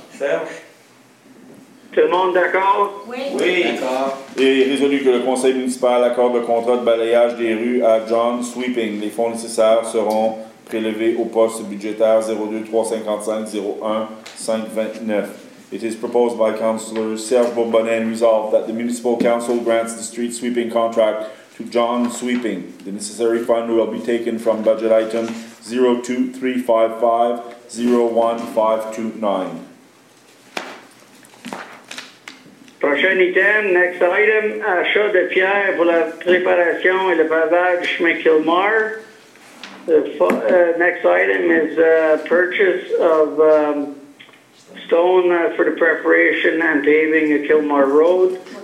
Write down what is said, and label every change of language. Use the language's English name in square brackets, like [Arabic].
[French] Serge. Tout le monde d'accord? Oui. Oui. D'accord. Et résolu que le conseil municipal accorde le contrat de balayage des rues à John Sweeping. Les fonds nécessaires seront prélevés au poste budgétaire 02-355-01-529. [English] It is proposed by Councillor Serge Bourbonnais and resolved that the Municipal Council grants the street sweeping contract to John Sweeping. The necessary fund will be taken from budget item 02355-01529. [French] Prochain item, [English] next item, [French] achat de pierre pour la préparation et le pavage du chemin Kilmar. [English] Next item is purchase of stone for the preparation and paving of Kilmar Road.